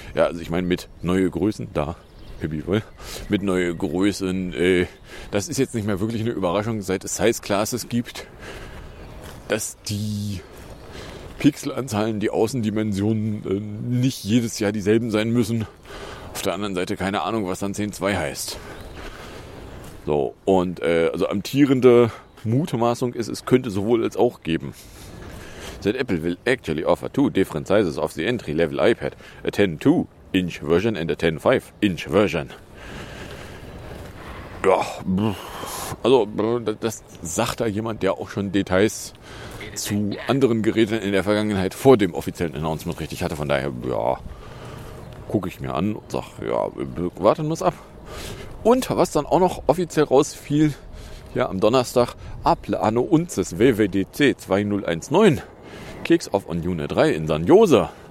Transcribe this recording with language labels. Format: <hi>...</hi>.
<de>Ja, also ich meine mit neue Größen, da, Pippi wohl, mit neue Größen, das ist jetzt nicht mehr wirklich eine Überraschung, seit es Size Classes gibt, dass die Pixelanzahlen, die Außendimensionen nicht jedes Jahr dieselben sein müssen. Auf der anderen Seite keine Ahnung, was dann 10.2 heißt. So, und also amtierende Mutmaßung ist, es könnte sowohl als auch geben.</de> <en>Seit Apple will actually offer two different sizes of the entry-level iPad, a 10.2-inch version and a 10.5-inch version.</en> <de>Doch, also das sagt da jemand, der auch schon Details zu anderen Geräten in der Vergangenheit vor dem offiziellen Announcement richtig hatte. Von daher, ja, gucke ich mir an und sage, ja, warten wir es ab. Und was dann auch noch offiziell rausfiel, ja, am Donnerstag,</de> <en>Apple Anno Unces WWDC 2019 Kicks Off on June 3 in San Jose.</en>